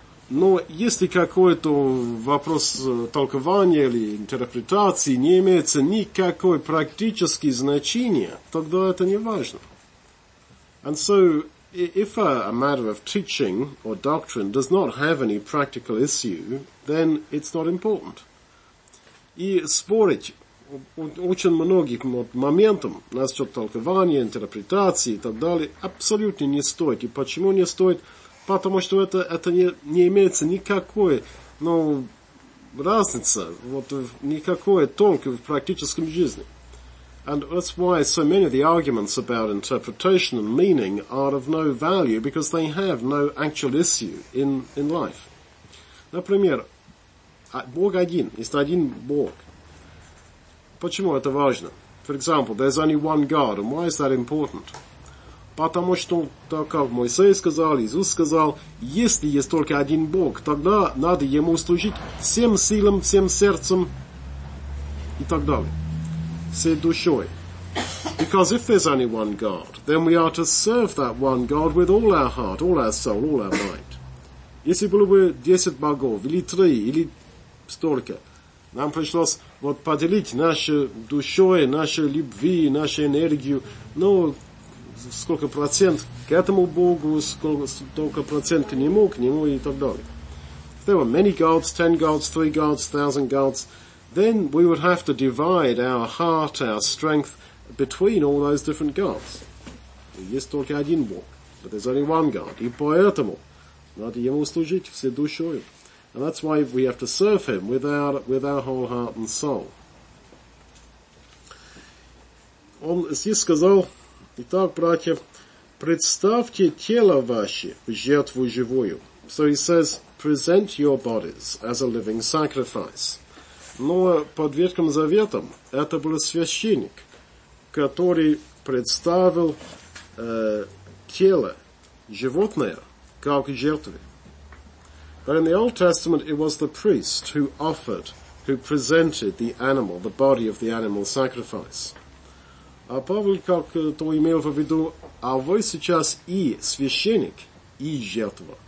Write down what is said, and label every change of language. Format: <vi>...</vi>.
<ru>Но если какой-то вопрос толкования или интерпретации не имеется никакой практической значения, тогда это не важно.</ru> <en>And so, if a matter of teaching or doctrine does not have any practical issue, then it's not important.</en> <ru>И спорить очень многих моментов насчет толкования, интерпретации и так далее абсолютно не стоит. И почему не стоит? Потому что это не имеется никакой ну, разницы, вот, никакой толка в практическом жизни.</ru> <en>And that's why so many of the arguments about interpretation and meaning are of no value, because they have no actual issue in life.</en> <ru>Например, Бог один, есть один Бог. Почему это важно?</ru> <en>For example, there's only one God, and why is that important?</en> <ru>Потому что, так как Моисей сказал, Иисус сказал, если есть только один Бог, тогда надо Ему служить всем силам, всем сердцем и так далее. Всей душой.</ru> <en>Because if there's only one God, then we are to serve that one God with all our heart, all our soul, all our mind.</en> <ru>Если было бы 10 богов, или 3, или столько, нам пришлось вот поделить нашу душой, нашу любви, нашу энергию, ну, сколько процент к этому Богу, сколько процент к нему и так далее.</ru> <en>If there were many gods, 10 gods, 3 gods, 1,000 gods, then we would have to divide our heart, our strength between all those different gods.</en> <ru>Есть только один Бог,</ru> <en>but there's only one God.</en> <ru>И поэтому Надо ему служить всей душою.</ru> <en>And that's why we have to serve him with our whole heart and soul.</en> <ru>Он здесь сказал, итак, братья, представьте тело ваше в жертву живую.</ru> <en>So he says, present your bodies as a living sacrifice.</en> <ru>Но под Ветхим Заветом это был священник, который представил тело животное как жертву.</ru> <en>But in the Old Testament, it was the priest who offered, who presented the animal, the body of the animal sacrifice.</en> <ru>А Павел как то имел в виду, а вы сейчас и священник, и жертва.</ru>